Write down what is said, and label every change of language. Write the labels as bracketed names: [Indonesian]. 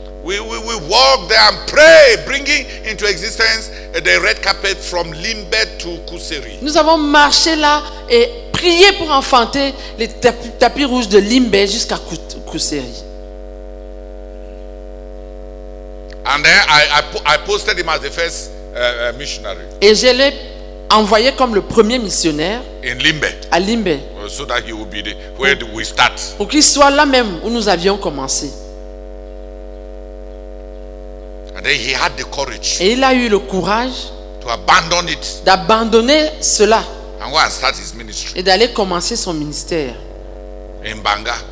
[English] We walk there and pray, bringing into existence the red carpet from Limbet to Kusseri. [French] Nous avons marché là et prié pour enfanter les tapis rouges de Limbet jusqu'à Kusseri. [English] And then I posted him as the first missionary. [French] Et je l'ai envoyé comme le premier missionnaire [English] in Limbet. [French] À Limbet. [English] So that he would be the, where do we start? [French] Pour qu'il soit là même où nous avions commencé. [English] And then he had the courage. [French] Et il a eu le courage [English] to abandon it. [French] D'abandonner cela. [English] And where to start his ministry? [French] Et d'aller commencer son ministère. [English] In Banga.